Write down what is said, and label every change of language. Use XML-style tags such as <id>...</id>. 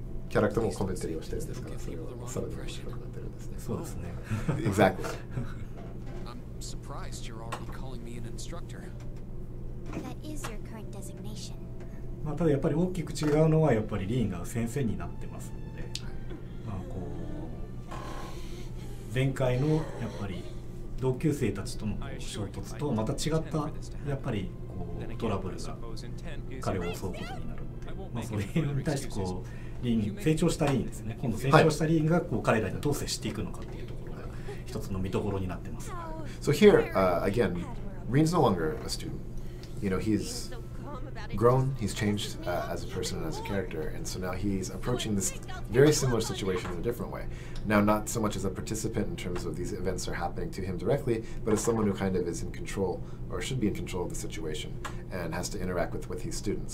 <ja>キャラクターもコメンテリーをしてるんですから、それも面白くなってるんですね。そうですね。</ja> <en>Exactly. I'm surprised you're already calling me an instructor. That is your current designation.</en> <ja>まあただやっぱり大きく違うのはやっぱりリーンが先生になってますので、まあこう前回のやっぱり同級生たちとの衝突とまた違ったやっぱりこうトラブルが彼を襲うことになるので、まあそれに対してこう。成長したリーンですね。今度成長したリーンがこう彼らにどう接していくのかっていうところが一つの見所になってます。</ja> <en>So here, again, Rin's no longer a student. You know, he's grown, he's changed as a person and as a character, and so now he's approaching this very similar situation in a different way. Now, not so much as a participant in terms of these events are happening to him directly, but as someone who kind of is in control or should be in control of the situation and has to interact with his students.</en>